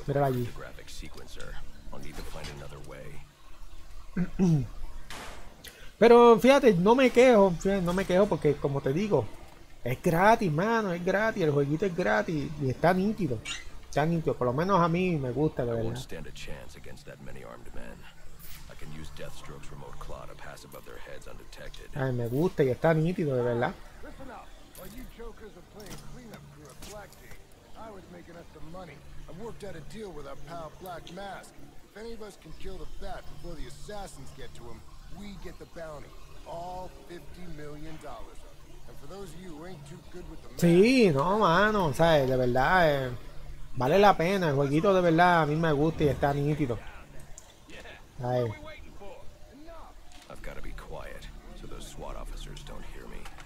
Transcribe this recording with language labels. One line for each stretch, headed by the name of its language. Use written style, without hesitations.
English: the graphic sequencer. I'll need to find another way.
Spanish: Pero fíjate, no me quejo porque como te digo, es gratis, mano, es gratis, el jueguito es gratis y está nítido. Está nítido, por lo menos a mí me gusta, de verdad.
English: I won't stand a chance against that many armed men. I can use Deathstroke's remote claw to pass above their heads undetected.
Spanish: Ay, me gusta y está nítido, de verdad.
English: I was making us some money. I worked out a deal with our pal Black Mask. If any of us can kill the bat before the assassins get to him, we get the bounty. All $50 million. And for those of you who ain't too good with the mask.
Spanish: Sí, no, mano, o sea, de verdad, vale la pena. El jueguito de verdad a mí me gusta y está nítido. Ay.
English: I've got to be quiet so those SWAT officers don't hear me.